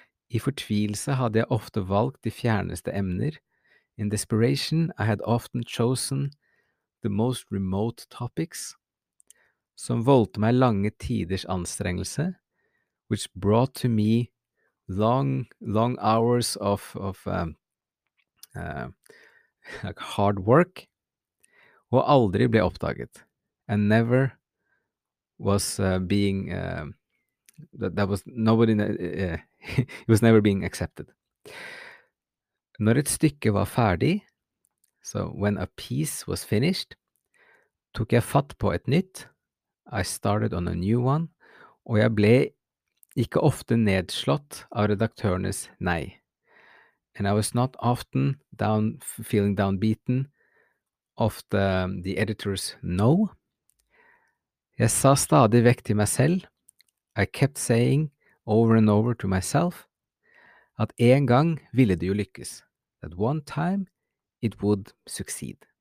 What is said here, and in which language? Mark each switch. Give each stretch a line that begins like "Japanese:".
Norwegian: I fortvilelse hadde jeg ofte valgt de fjerneste emner.
English: In desperation, I had often chosen the most remote topics,
Norwegian: som voldte meg lange tiders anstrengelse,
English: which brought to me long hours of hard work,
Norwegian: og aldri ble oppdaget,
English: and never was being that was nobody it was never being accepted.
Norwegian: Når et stykke var ferdig,
English: so when a piece was finished,
Norwegian: tok jeg fatt på et nytt,
English: I started on a new one,
Norwegian: og jeg ble ikke ofte nedslått av redaktørenes nei.
English: And I was not often feeling downbeaten of the editor's no.
Norwegian: Jeg sa stadig vekk til meg selv,
English: I kept saying over and over to myself,
Norwegian: at en gang ville det jo lykkes,
English: that one time it would succeed.